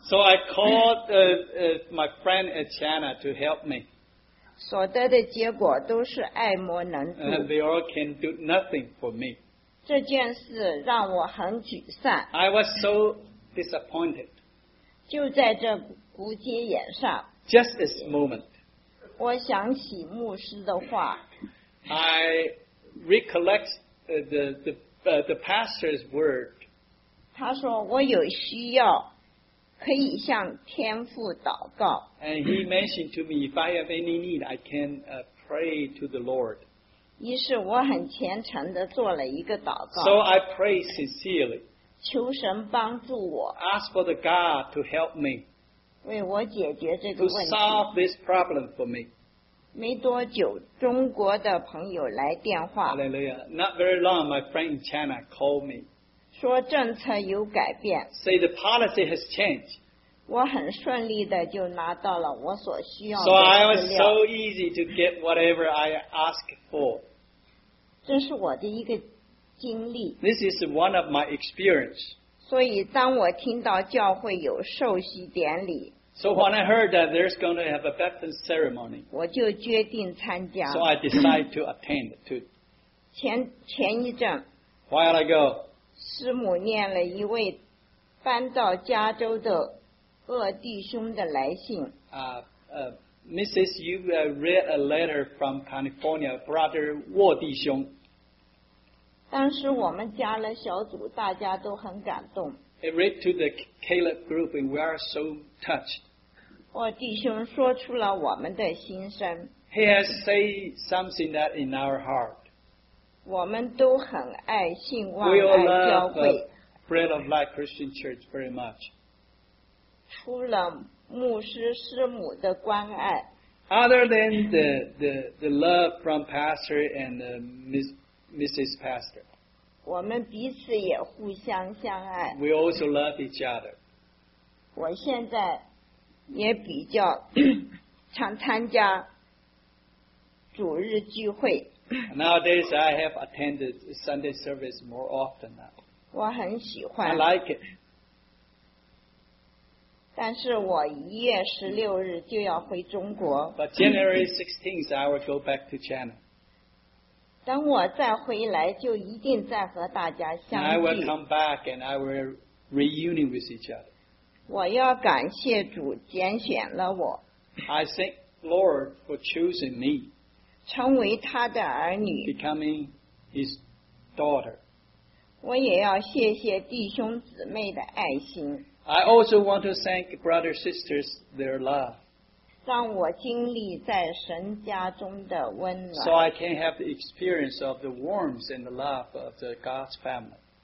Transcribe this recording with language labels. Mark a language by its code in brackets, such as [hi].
[en] So I called my friend at China to help me. [zh] 所得的结果都是爱莫能助。 [en] They all can do nothing for me. [zh] 这件事让我很沮丧。 [en] I was so disappointed. [zh] 就在这古街眼上。 [en] Just this moment. [zh] 我想起牧师的话。 [en] I recollect the pastor's word. [zh] 他说我有需要可以向天父祷告。 [en] And he mentioned to me, if I have any need, I can pray to the Lord. [zh] 于是我很虔诚地做了一个祷告。 [en] So I pray sincerely. [zh] 求神帮助我。 [en] Ask for the God to help me. [zh] 为我解决这个问题。 [en] To solve this problem for me. [zh] 没多久，中国的朋友来电话。 [en] Hallelujah. Not very long, my friend in China called me. [zh] 说政策有改变。 [en] Say the policy has changed. [zh] 我很顺利的就拿到了我所需要的资料。 [en] So I was so easy to get whatever I asked for. [zh] 这是我的一个经历。 [en] This is one of my experience. [zh] 所以当我听到教会有受洗典礼。 [en] So when I heard that there's going to have a baptism ceremony. [zh] 我就决定参加。 [en] So I decided to attend to. [zh] 前一阵。 [en] While ago. [zh] 师母念了一位搬到加州的恶弟兄的来信。 [en] Mrs. You read a letter from California, brother 沃弟兄。 [zh] 当时我们加了小组，大家都很感动。 [en] It read to the Caleb group, and we are so touched. [zh] 沃弟兄说出了我们的心声。 [en] He has said something that in our heart. We all love the Bread of Life Christian Church very much. [zh] 除了牧师师母的关爱, [en] Other than the love from Pastor and Mrs. Pastor. We also love each other. [zh] 我现在也比较常参加 主日聚会. [en] Nowadays, I have attended Sunday service more often now. [zh] 我很喜欢. [en] I like it. [zh] 但是我1月16日就要回中国. [en] But January 16th, I will go back to China. [zh] 等我再回来，就一定再和大家相聚. [en] I will come back and I will reunion with each other. [zh] 我要感谢主拣选了我. [en] I thank Lord for choosing me. [zh] 成为他的儿女, [en] becoming his daughter. [zh] 我也要谢谢弟兄姊妹的爱心. [en] I also want to thank brothers and sisters their love. [zh] 让我经历在神家中的温暖. [en] So I can have the experience of the warmth and the love of the God's family.